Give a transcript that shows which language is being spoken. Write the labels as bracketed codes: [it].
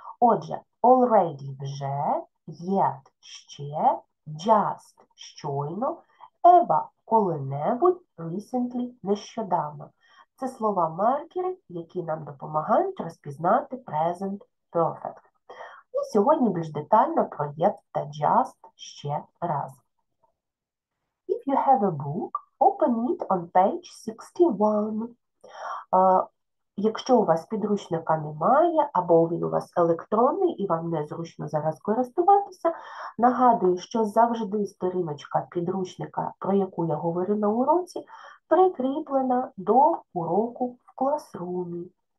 [uk] Отже, already – вже, yet – ще, just – щойно, ever – коли-небудь, recently – нещодавно. Це слова-маркери, які нам допомагають розпізнати present perfect. І сьогодні більш детально про yet та just ще раз. [en] If you have a book, open it on page 61. [uk] Якщо у вас підручника немає, або він у вас електронний і вам незручно зараз користуватися, нагадую, що завжди сторіночка підручника, про яку я говорю на уроці, прикріплена до уроку в класрумі.